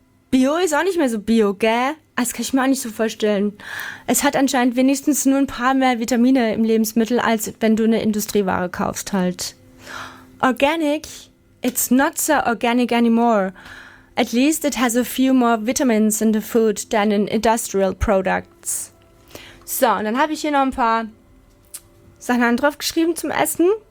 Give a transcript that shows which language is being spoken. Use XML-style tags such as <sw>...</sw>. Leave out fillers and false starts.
<de>Bio ist auch nicht mehr so bio, gell? Das kann ich mir auch nicht so vorstellen. Es hat anscheinend wenigstens nur ein paar mehr Vitamine im Lebensmittel, als wenn du eine Industrieware kaufst halt.</de> <en>Organic, it's not so organic anymore. At least it has a few more vitamins in the food than in industrial products.</en> <de>So, und dann habe ich hier noch ein paar Sachen draufgeschrieben zum Essen.</de>